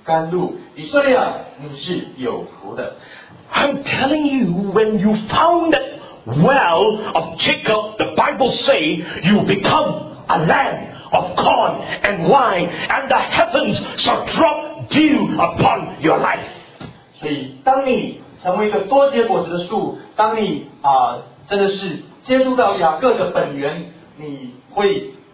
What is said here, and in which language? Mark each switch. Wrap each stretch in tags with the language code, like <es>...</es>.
<zh>独居五谷新酒之地，他的天也滴甘露。以色列啊，你是有福的。</zh> <en>I'm telling you, when you found that well of Jacob, the Bible say you become a land of corn and wine, and the heavens shall drop dew upon your life.</en> <zh>所以，当你成为一个多结果子的树，当你真的是接触到雅各的本源，你会。</zh>